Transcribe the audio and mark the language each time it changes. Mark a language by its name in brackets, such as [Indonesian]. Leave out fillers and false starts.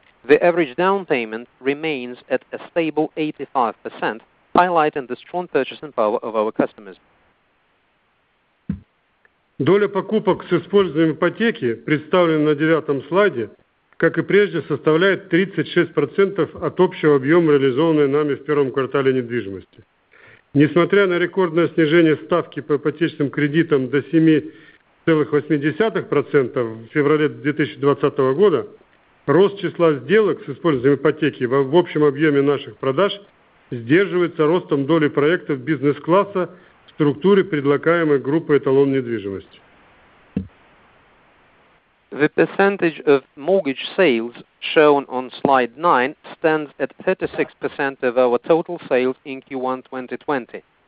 [English] The average down payment remains at a stable 85%, highlighting the strong purchasing power of our customers. [Russian] Доля покупок с использованием ипотеки, представленной на девятом слайде, как и прежде, составляет 36% от общего объема, реализованной нами в первом квартале недвижимости. Несмотря на рекордное снижение ставки по ипотечным кредитам до 7,8% в феврале 2020 года, рост числа сделок с использованием ипотеки в общем объеме наших продаж сдерживается ростом доли проектов бизнес-класса в структуре предлагаемой группы «Эталон недвижимости». [English] The percentage of mortgage sales shown on slide 9 stands at 36% of our total sales in Q1 2020.